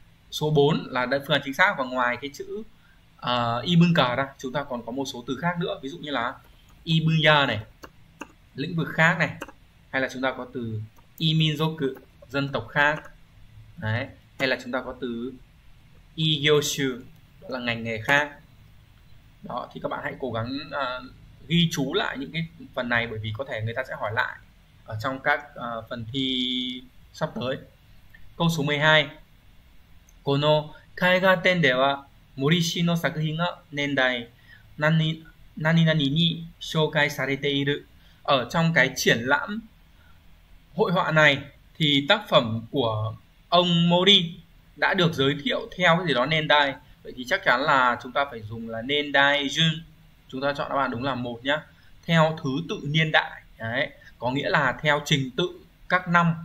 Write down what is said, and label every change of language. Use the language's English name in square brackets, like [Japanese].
[Vietnamese] Số 4 là đơn phương án chính xác, và ngoài cái chữ Ibunka ra chúng ta còn có một số từ khác nữa, ví dụ như là Ibunya này, lĩnh vực khác này, hay là chúng ta có từ Iminzoku, dân tộc khác đấy, hay là chúng ta có từ Iyoshu, đó là ngành nghề khác đó, thì các bạn hãy cố gắng ghi chú lại những cái phần này, bởi vì có thể người ta sẽ hỏi lại ở trong các phần thi sắp tới. Câu số 12. [Japanese] この絵画展では森氏の作品が年代何、何々に紹介されている。 [Vietnamese] Ở trong cái triển lãm hội họa này thì tác phẩm của ông Mori đã được giới thiệu theo cái gì đó nên đai. Vậy thì chắc chắn là chúng ta phải dùng là nên đai jun. Chúng ta chọn đáp án đúng là một nhá. Theo thứ tự niên đại. Đấy. Có nghĩa là theo trình tự các năm.